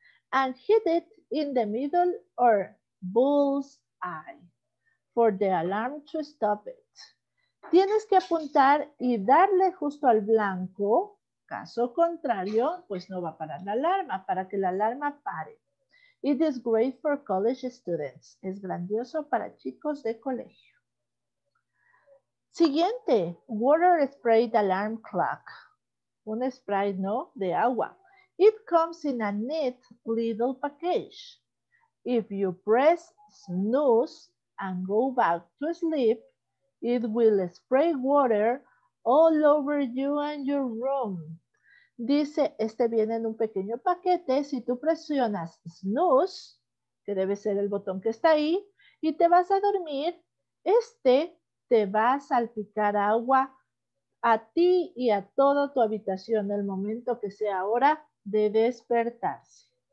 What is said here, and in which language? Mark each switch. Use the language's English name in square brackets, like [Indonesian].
[English] And hit it in the middle or bull's eye. For the alarm to stop it. [Spanish] Tienes que apuntar y darle justo al blanco. Caso contrario, pues no va a parar la alarma, para que la alarma pare. [English] It is great for college students. [Spanish] Es grandioso para chicos de colegio. Siguiente, water spray alarm clock. Un spray, ¿no? De agua. [English] It comes in a neat little package. If you press snooze and go back to sleep, it will spray water all over you and your room. [Spanish] Dice, este viene en un pequeño paquete. Si tú presionas snooze, que debe ser el botón que está ahí, y te vas a dormir, este te va a salpicar agua a ti y a toda tu habitación en el momento que sea hora de despertarse.